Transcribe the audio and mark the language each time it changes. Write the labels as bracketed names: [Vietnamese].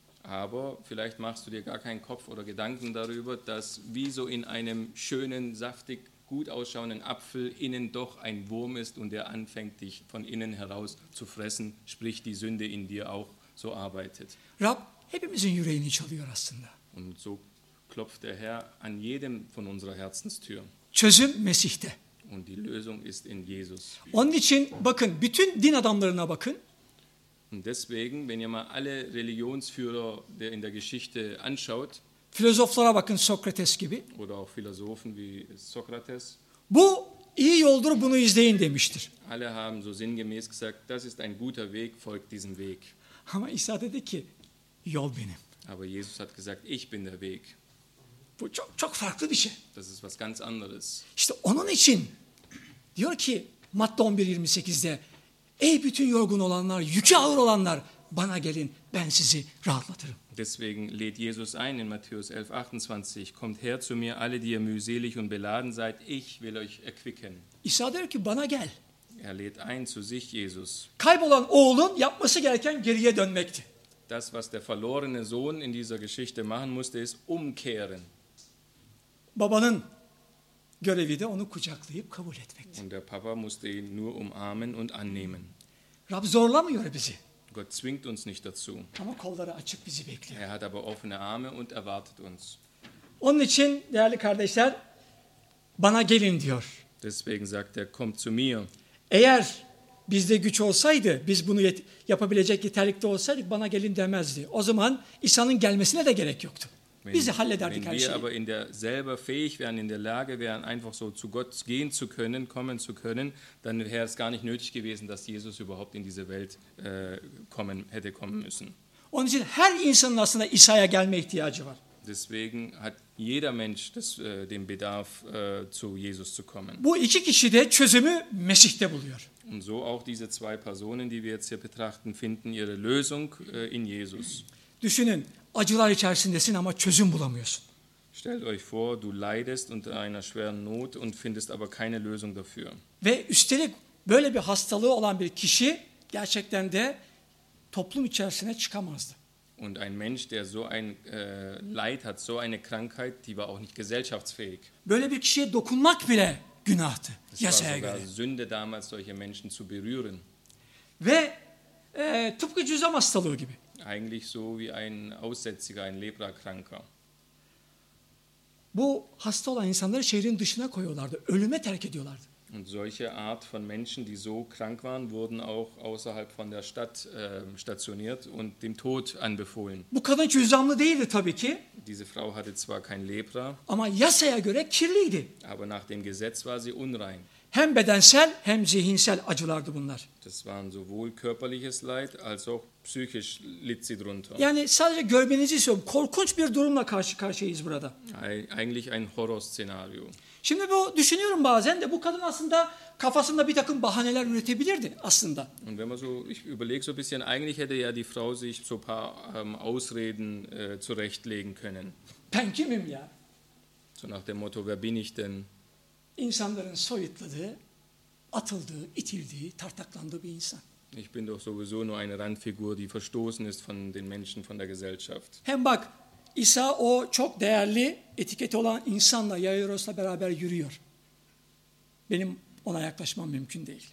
[German] Aber vielleicht machst du dir gar keinen Kopf oder Gedanken darüber, dass wie so in einem schönen, saftig, gut ausschauenden Apfel innen doch ein Wurm ist und der anfängt dich von innen heraus zu fressen, sprich die Sünde in dir auch so arbeitet. [Turkish] Rab hepimizin yüreğini çalıyor aslında. [German] Und so klopft der Herr an jedem von unserer Herzenstür. [Turkish] Çözüm Mesih'te. [German] Und die Lösung ist in Jesus. [Turkish] Onun için bakın, bütün din adamlarına bakın. [German] Und deswegen, wenn ihr mal alle Religionsführer der in der Geschichte anschaut, [Turkish] Philosophlara bakın, Sokrates gibi. [German] Oder auch Philosophen wie Sokrates. [Turkish] Bu iyi yoldur, bunu izleyin demiştir. [German] Alle haben so sinngemäß gesagt, das ist ein guter Weg, folgt diesem Weg. [Turkish] Ama İsa dedi ki, yol benim. [German] Aber Jesus hat gesagt, ich bin der Weg. [Turkish] Bu çok çok farklı bir şey. [German] Das ist was ganz anderes. [Turkish] İşte onun için diyor ki Matta 11:28'de ey bütün yorgun olanlar, yükü ağır olanlar bana gelin, ben sizi rahatlatırım. [German] Deswegen lädt Jesus ein in Matthäus 11:28, kommt her zu mir alle, die ihr mühselig und beladen seid, ich will euch erquicken. [Turkish] İsa diyor ki bana gel. [German] Er lädt ein zu sich Jesus. [Turkish] Kaybolan oğlun yapması gereken geriye dönmekti. [German] Das, was der verlorene Sohn in dieser Geschichte machen musste, ist umkehren. [Turkish] Babanın görevi de onu kucaklayıp kabul etmekti. [German] Und der Papa musste ihn nur umarmen und annehmen. [Turkish] Rab zorlamıyor bizi. [German] Gott zwingt uns nicht dazu. [Turkish] Ama kolları açık bizi bekliyor. [German] Er hat aber offene Arme und erwartet uns. [Turkish] Onun için değerli kardeşler, bana gelin diyor. [German] Deswegen sagt er, kommt zu mir. [Turkish] Eğer bizde güç olsaydı, biz bunu yapabilecek yeterlikte olsaydık, bana gelin demezdi. O zaman İsa'nın gelmesine de gerek yoktu. [German] Wenn wir aber in der selber fähig wären, in der Lage wären, einfach so zu Gott gehen zu können, kommen zu können, dann wäre es gar nicht nötig gewesen, dass Jesus überhaupt in diese Welt hätte kommen müssen. [Turkish] Onun için her insanın aslında İsa'ya gelme ihtiyacı var. [German] Deswegen hat jeder Mensch den Bedarf, zu Jesus zu kommen. [Turkish] Bu iki kişi de çözümü Mesih'te buluyor. [German] Und so auch diese zwei Personen, die wir jetzt hier betrachten, finden ihre Lösung in Jesus. [Turkish] Düşünün, acılar içerisindesin ama çözüm bulamıyorsun. [German] Stellt euch vor, du leidest unter einer schweren Not und findest aber keine Lösung dafür. [Turkish] Ve üstelik böyle bir hastalığı olan bir kişi gerçekten de toplum içerisine çıkamazdı. [German] Und ein Mensch, der so ein Leid hat, so eine Krankheit, die war auch nicht gesellschaftsfähig. [Turkish] Böyle bir kişiye dokunmak bile günahtı. [German] Es war sogar Sünde damals, solche Menschen zu berühren. [Turkish] Ve tıpkı cüzdan hastalığı gibi. [German] Eigentlich so wie ein Aussätziger, ein Leprakranker. [Turkish] Bu hasta olan insanları şehrin dışına koyuyorlardı, ölüme terk ediyorlardı. [German] Und solche Art von Menschen, die so krank waren, wurden auch außerhalb von der Stadt stationiert und dem Tod anbefohlen. [Turkish] Bu kadın cüzdanlı değildi tabii ki. [German] Diese Frau hatte zwar kein Lepra. [Turkish] Ama yasaya göre kirliydi. [German] Aber nach dem Gesetz war sie unrein. [Turkish] Hem bedensel hem zihinsel acılardı bunlar. [German] Das waren sowohl körperliches Leid als auch psychisch litt sie drunter. [Turkish] Yani sadece görmenizi istiyorum. Korkunç bir durumla karşı karşıyayız burada. [German] Eigentlich ein Horrorszenario. [Turkish] Şimdi bu düşünüyorum bazen de bu kadın aslında kafasında bir takım bahaneler üretebilirdi aslında. [German] Und wenn man so, ich überlege so ein bisschen, eigentlich hätte ja die Frau sich so ein paar Ausreden zurechtlegen können. [Turkish] Ben kimim ya? [German] So nach dem Motto, wer bin ich denn? [Turkish] İnsanların soyutladığı, atıldığı, itildiği, tartaklandığı bir insan. [German] Ich bin doch sowieso nur eine Randfigur, die verstoßen ist von den Menschen, von der Gesellschaft. [Turkish] Hem bak, İsa o çok değerli etiketi olan insanla Yairos'la beraber yürüyor. Benim ona yaklaşmam mümkün değil.